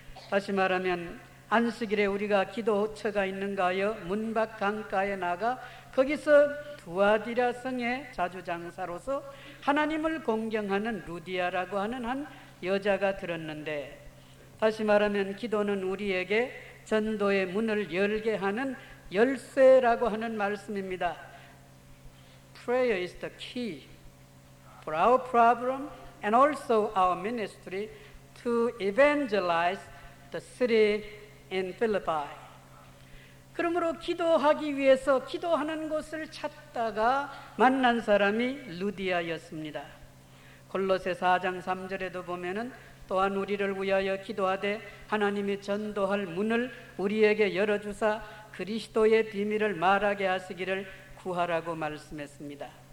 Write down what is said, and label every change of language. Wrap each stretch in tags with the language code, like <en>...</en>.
<ko>다시 말하면 안식일에 우리가 기도처가 있는가 하여 문밖 강가에 나가 거기서 두아디라 성의 자주장사로서 하나님을 공경하는 루디아라고 하는 한 여자가 들었는데 다시 말하면 기도는 우리에게 전도의 문을 열게 하는 열쇠라고 하는 말씀입니다.</ko> <en>Prayer is the key for our problem and also our ministry to evangelize the city in Philippi.</en> <ko>그러므로 기도하기 위해서 기도하는 곳을 찾다가 만난 사람이 루디아였습니다. 골로새 4장 3절에도 보면은 또한 우리를 위하여 기도하되 하나님이 전도할 문을 우리에게 열어주사 그리스도의 비밀을 말하게 하시기를 구하라고 말씀했습니다.</ko>